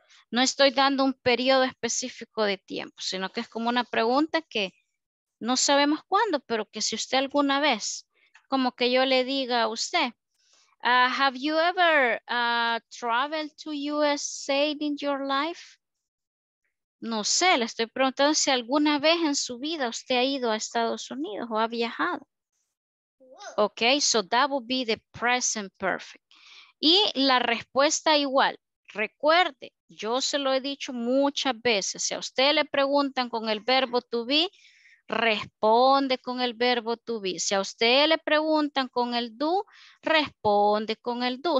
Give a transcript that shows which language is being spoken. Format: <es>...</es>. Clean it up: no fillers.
<es>No estoy dando un periodo específico de tiempo, sino que es como una pregunta que no sabemos cuándo, pero que si usted alguna vez, como que yo le diga a usted,</es> <en>have you ever traveled to USA in your life?</en> <es>No sé, le estoy preguntando si alguna vez en su vida usted ha ido a Estados Unidos o ha viajado.</es> <en>Ok, so that would be the present perfect.</en> <es>Y la respuesta igual, recuerde, yo se lo he dicho muchas veces, si a usted le preguntan con el verbo to be, responde con el verbo to be. Si a usted le preguntan con el do, responde con el do.</es>